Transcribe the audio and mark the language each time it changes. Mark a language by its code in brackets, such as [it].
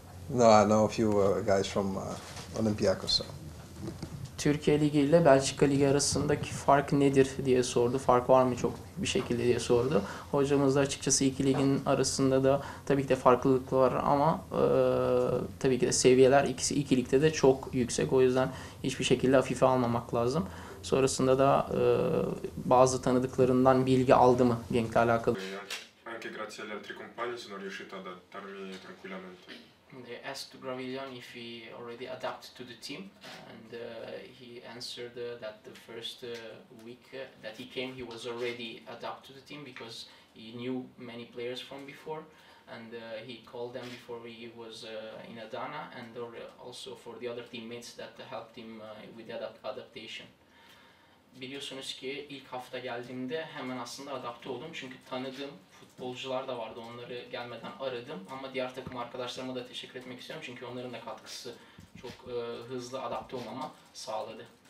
[en] No, I know a few guys from Olympiakos. So. [tr] Türkiye Ligi ile Belçika Ligi arasındaki fark nedir diye sordu. Fark var mı çok bir şekilde diye sordu. Hocamız da açıkçası iki ligin arasında da tabii ki de farklılıklar var ama tabii ki de seviyeler ikisi iki ligde de çok yüksek. O yüzden hiçbir şekilde hafife almamak lazım. sonrasında da bazı tanıdıklarından bilgi aldı mı Genk'le alakalı? [it] Anche grazie alle altre compagne sono riuscito ad adattarmi tranquillamente. [en] They asked Gravillon if he already adapted to the team, and he answered that the first week that he came, he was already adapted to the team because he knew many players from before, and he called them before he was in Adana, and also for the other teammates that helped him with the adaptation. [tr] Biliyorsunuz ki ilk hafta geldiğimde hemen aslında adapte oldum çünkü tanıdığım futbolcular da vardı, onları gelmeden aradım. Ama diğer takım arkadaşlarıma da teşekkür etmek istiyorum çünkü onların da katkısı çok hızlı adapte olmama sağladı.